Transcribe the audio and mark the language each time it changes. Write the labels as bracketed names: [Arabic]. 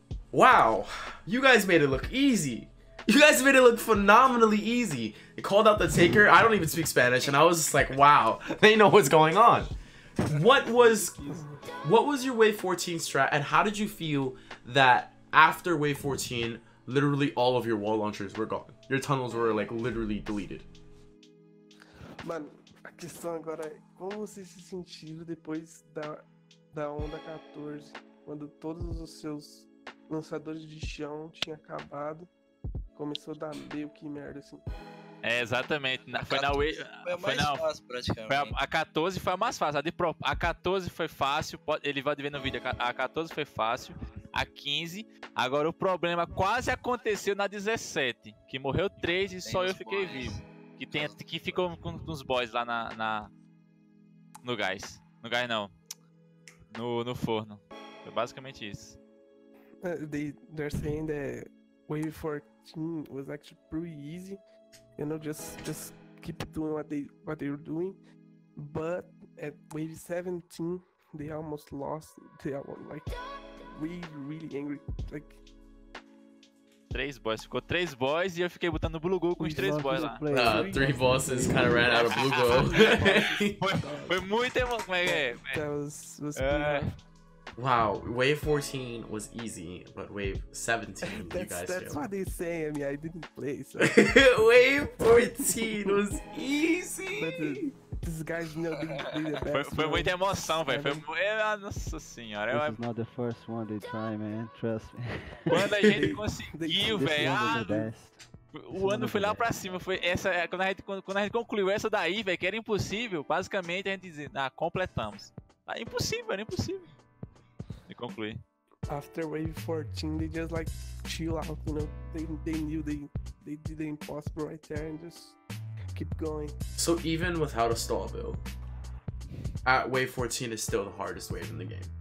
[English] Wow, you guys made it look easy. You guys made it look phenomenally easy. They called out the taker. I don't even speak Spanish, and I was just like, wow, they know what's going on. What was your wave 14 strat, and how did you feel that after wave 14, literally all of your wall launchers were gone? Your tunnels were like literally deleted. [Portuguese] Man, a questão agora é como você se sentiu depois da onda 14? Quando todos os seus lançadores de chão tinha acabado. Começou a dar meio que merda, assim. É, exatamente. A 14 foi a mais fácil. A 14 foi fácil. Ele vai ver no vídeo. A 14 foi fácil. A 15. Agora o problema quase aconteceu na 17. Que morreu 3 e só eu fiquei vivo. Que ficou com os boys lá no gás. No gás não. No forno. Foi basicamente isso. [English] They're saying that Wave 14 was actually pretty easy. You know, just keep doing what they're doing. But at Wave 17, they almost lost. They were like really, really angry. Like, [Portuguese] Ficou três boys e eu fiquei botando blue goal com os três boys lá. [English] Three bosses kind of ran out of blue goal. [Portuguese] foi muito emoção. Como é que é? [English] That was pretty rough. Wow, Wave 14 was easy, but Wave 17, you guys That's what they say. I mean, I didn't play, so... Wave 14 was easy! But these guys know they did the best. [Portuguese] Foi muita emoção, velho. Nossa senhora. [English] This is not the first one they try, man. Trust me. [Portuguese] Quando a gente conseguiu, velho. O ano foi lá pra cima, foi essa. Quando a gente concluiu essa daí, velho, que era impossível, basicamente a gente dizia, completamos. Ah, impossível. E concluí. [English] After Wave 14, they just like chill out, you know. They knew they did the impossible right there and just keep going. So even without a stall build, at Wave 14 is still the hardest wave in the game.